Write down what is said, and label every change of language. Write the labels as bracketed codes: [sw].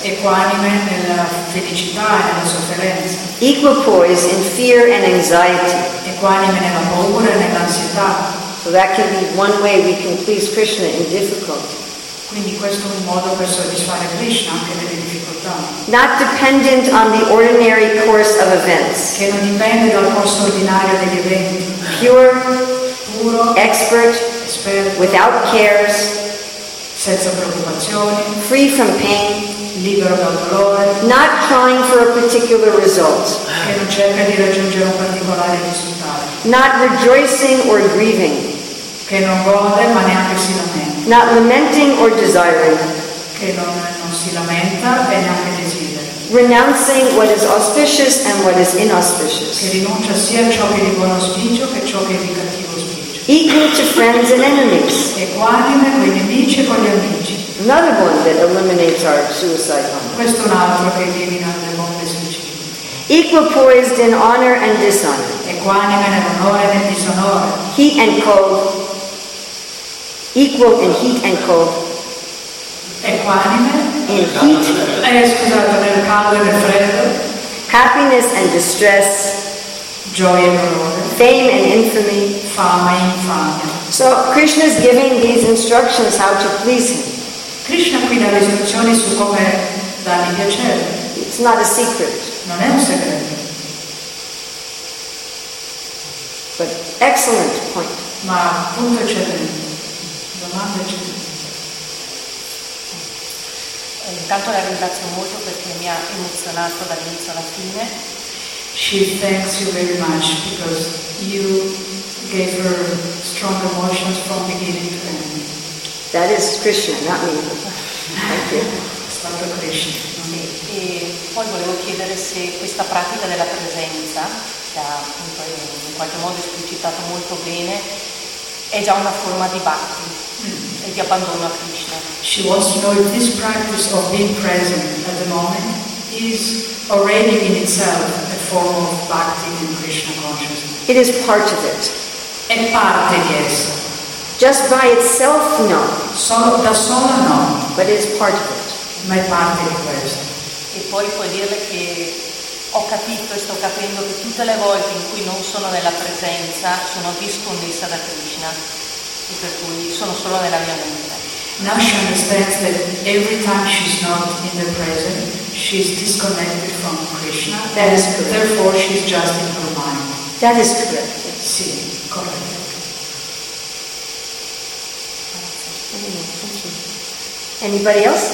[it] Equanime nella felicità e nella sofferenza. [en] Equipoised in fear and anxiety. [it] Equanime nella paura e nell'ansietà. [en] So that can be one way we can please Krishna in difficulty. [it] Quindi questo è un modo per soddisfare Krishna anche nelle difficoltà. [en] Not dependent on the ordinary course of events. [it] Che non dipende dal corso ordinario degli eventi. [en] Pure, [it] puro, [en] expert, [it] esperto, [en] without cares, [it] senza preoccupazioni, [en] free from pain, [it] libero dal dolore, [en] not trying for a particular result, [it] che non cerca di raggiungere un particolare risultato, [en] not rejoicing or grieving, [it] che non gode ma neanche si lamenta, [en] not lamenting or desiring, [it] che non si lamenta e neanche desidera, [en] renouncing what is auspicious and what is inauspicious, [it] che rinuncia sia a ciò che è di buon auspicio che ciò che è di cattivo auspicio. [en] Equal to friends and enemies. [it] Equanime con i nemici e con gli amici. [en] Another one that eliminates our suicide bomb. [it] Questo è un altro che elimina le bombe suicide. [en] Equal poised in honor and dishonor. [it] Equanime nell'onore e nel disonore. [en] Heat and cold. Equal in heat and cold. [it] Equanime. [en] In heat. [it] Scusate, nel caldo e nel freddo. [en] Happiness and distress. [it] Gioia e dolore. [en] Fame and infamy. [it] Fama e infamia. [en] So Krishna is giving these instructions how to please him. [it] Krishna qui dà le istruzioni su come dargli piacere. [en] It's not a secret. [it] Non è un segreto. [en] But excellent point. [it] Ma punto eccellente. Domanda eccellente. Intanto la ringrazio molto perché mi ha emozionato dall'inizio alla fine. [en] She thanks you very much because you gave her strong emotions from beginning to end. That is Krishna, not me. Thank you. [it] Stato Krishna, non me. E poi volevo chiedere se questa pratica della presenza, che ha appunto in qualche modo esplicitato molto bene, è già una forma di bhakti e di abbandono a Krishna. [en] She wants to know if this practice of being present at the moment is already in itself a form of bhakti in Krishna consciousness. It is part of it. [it] È parte di esso. [en] Just by itself, no. [it] Solo, da solo, no. [en] But it is part of it. [it] Ma è parte di questo. E poi puoi dire che ho capito e sto capendo che tutte le volte in cui non sono nella presenza sono disconnessa da Krishna e per cui sono solo nella mia mente. [en] Now she understands that every time she's not in the present, she's disconnected from Krishna. That is correct. Therefore, she's just in her mind. That is correct. Yes. [it] Sì, [en] correct. Thank you. Anybody else?